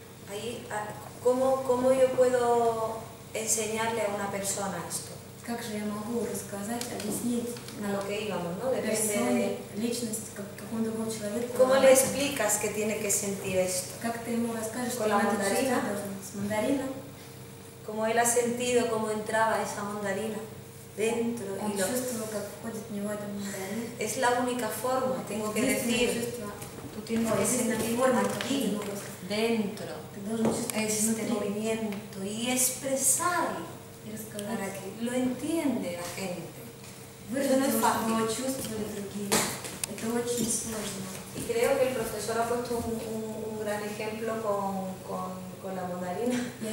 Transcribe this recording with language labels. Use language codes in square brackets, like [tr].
[es] Ahí, ¿cómo yo puedo enseñarle a una persona esto? [ru] Как же я могу рассказать, объяснить на персоне, личности, какому другому человеку? [es] ¿Cómo le explicas que tiene que sentir esto? [ru] Как ты ему расскажешь, что надо чувствовать? С мандарином? [es] Como él ha sentido cómo entraba esa mandarina dentro. [ru] Он чувствовал, как входит в него эта мандарина. [es] Es la única forma, tengo que decir. Tú tienes que decir aquí, dentro, este movimiento y expresar. Para que lo entiende la gente. Y creo que el profesor ha puesto un gran ejemplo con la mandarina.